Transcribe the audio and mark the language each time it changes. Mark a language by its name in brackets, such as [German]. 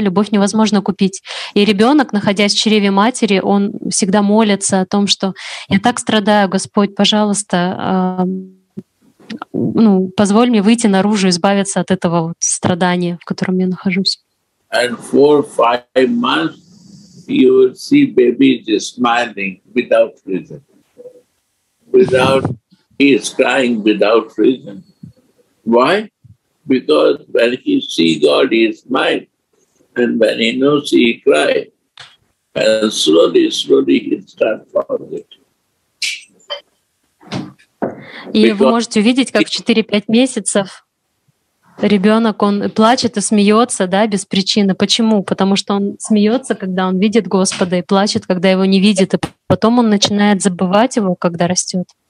[Russian] Любовь невозможно купить. И ребенок, находясь в чреве матери, он всегда молится о том, что я так страдаю, Господь, пожалуйста, ну, позволь мне выйти наружу, избавиться от этого вот страдания, в котором я нахожусь. [English] And four, five months. You will see baby just smiling without reason. Without he is crying without reason. Why? Because when he see God, he smile, and when he knows, he cry, and slowly, slowly he start forget. [Russian] И вы можете увидеть, как в 4-5 месяцев. Ребенок, он плачет и смеется, да, без причины. Почему? Потому что он смеется, когда он видит Господа, и плачет, когда его не видит. И потом он начинает забывать его, когда растет.